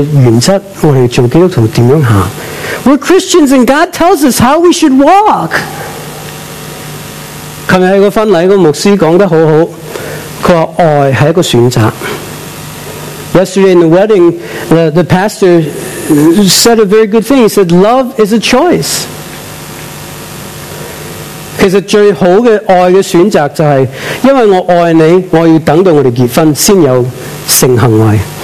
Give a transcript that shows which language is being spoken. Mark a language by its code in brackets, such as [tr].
[en] We're Christians and God tells us how we should walk. [zh] 昨天在婚禮的牧師說得很好，他說愛是一個選擇。 [en] Yesterday in the wedding, the pastor said a very good thing. He said, love is a choice. Because the [zh] 最好的爱的选择就是因为我爱你我要等到我们结婚才有性行为。